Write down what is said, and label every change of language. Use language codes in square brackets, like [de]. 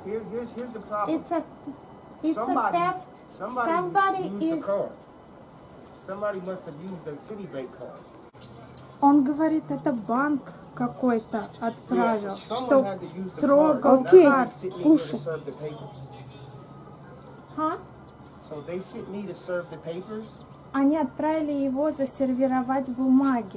[en] Here's the problem. It's a theft. Somebody must have used the Citibank card. [ru] Он говорит, это банк какой-то отправил, что трогал. Окей, слушай. [en] So they sent me to serve the papers. [ru] Они отправили его засервировать бумаги.